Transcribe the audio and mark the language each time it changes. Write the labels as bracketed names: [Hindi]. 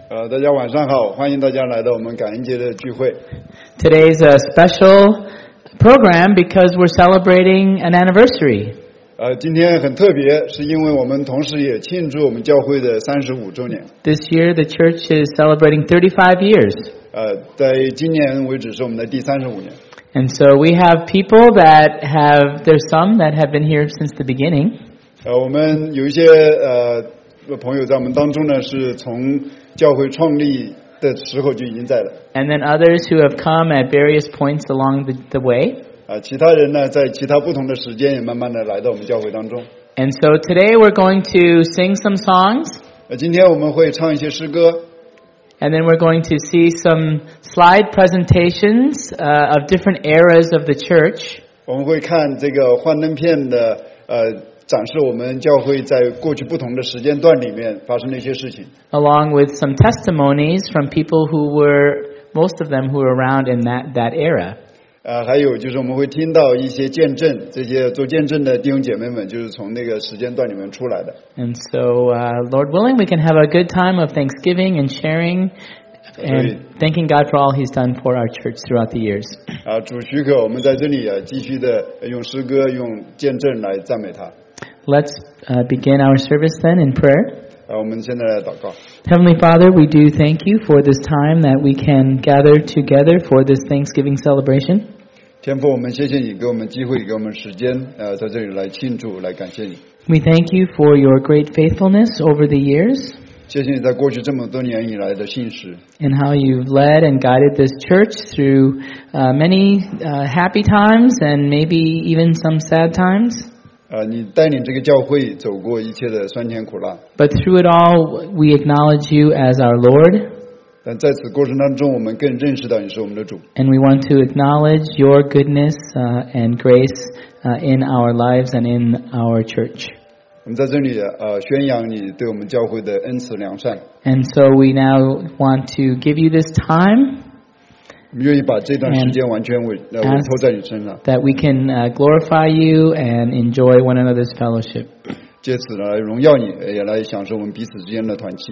[Chinese] 大家晚上好，欢迎大家来到我们感恩节的聚会。 [English] Today's a special program because we're celebrating an anniversary. [Chinese] 今天很特别，是因为我们同时也庆祝我们教会的35周年。 [English] This year, the church is celebrating 35 years. [Chinese] 在今年为止是我们的第35年。 [English] And so we have people that have, there's some that have been here since the beginning. [Chinese] 我们有一些朋友在我们当中呢，是从教会创立的时候就已经在了。 [English] And then others who have come at various points along the way. [Chinese] 其他人呢，在其他不同的时间也慢慢的来到我们教会当中。 [English] And so today we're going to sing some songs. [Chinese] 今天我们会唱一些诗歌。 [English] And then we're going to see some slide presentations of different eras of the church. [Chinese] 我们会看这个幻灯片的展示我们教会在过去不同的时间段里面发生的一些事情。 [English] Along with some testimonies from people who were, most of them who were around in that era. [Chinese] 还有就是我们会听到一些见证，这些做见证的弟兄姐妹们就是从那个时间段里面出来的。 [English] And so, Lord willing, we can have a good time of thanksgiving and sharing and thanking God for all He's done for our church throughout the years. [Chinese] 主许可，我们在这里啊，继续的用诗歌、用见证来赞美他。 [English] Let's begin our service then in prayer. [Chinese] 我们现在来祷告。 [English] Heavenly Father, we do thank you for this time that we can gather together for this Thanksgiving celebration. [Chinese] 天父，我们谢谢你给我们机会，给我们时间，在这里来庆祝，来感谢你。 [English] We thank you for your great faithfulness over the years. [Chinese] 谢谢你在过去这么多年以来的信实。 [English] And how you've led and guided this church through many happy times and maybe even some sad times. [Chinese] 你带领这个教会走过一切的酸甜苦辣。 [English] But through it all, we acknowledge you as our Lord. [Chinese] 但在此过程当中，我们更认识到你是我们的主。 [English] And we want to acknowledge your goodness and grace in our lives and in our church. [Chinese] 我们在这里宣扬你对我们教会的恩慈良善。 [English] And so we now want to give you this time. [Chinese] 我们愿意把这段时间完全委托在你身上 [English] that we can glorify you and enjoy one another's fellowship. [Chinese] 借此来荣耀你，也来享受我们彼此之间的团契。